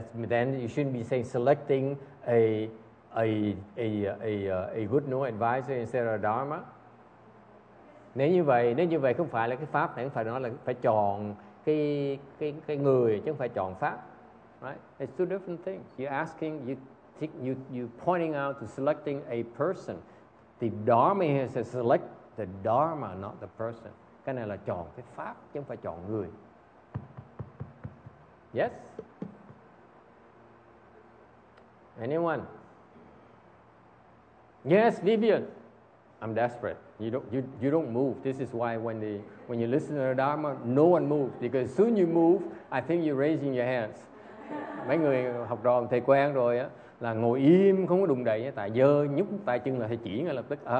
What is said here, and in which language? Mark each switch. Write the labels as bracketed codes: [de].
[en] Then you shouldn't be saying selecting a good no advisor instead of dharma. [vi] Nếu như vậy không phải là cái pháp, không phải nói là phải chọn cái người chứ không phải chọn pháp. [en] Right? It's two different things. You're pointing out to selecting a person. The dharma is a select the dharma, not the person. Cái này là chọn cái pháp chứ không phải chọn người. Yes? Anyone? Yes, Vivian. I'm desperate. You don't move. This is why when you listen to the dharma, no one moves. Because as soon you move, I think you're raising your hands. [vi] Mấy người học trò thầy quen rồi á, là ngồi im không có đụng đậy, tại dơ nhúc tay chân là thầy chỉ ngay lập tức.